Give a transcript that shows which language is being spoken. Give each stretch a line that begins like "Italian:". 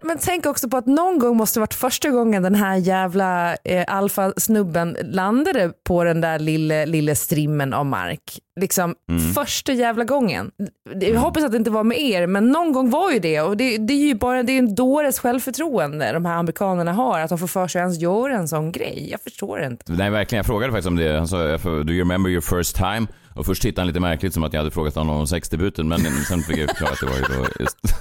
Swedish: Men tänk också på att någon gång måste det varit första gången den här jävla alfasnubben landade på den där lilla strimmen av mark. Liksom första jävla gången. Jag hoppas att det inte var med er, men någon gång var ju det. Och det är ju bara, det är en dåres självförtroende de här amerikanerna har, att de får för sig ens gör en sån grej. Jag förstår inte. Nej, verkligen. Jag frågade faktiskt om det. Han sa,
English: do you remember your first time?
Swedish: Och först tittade han lite märkligt, som att jag hade frågat honom om sexdebuten, men sen fick jag förklara att det var ju då just...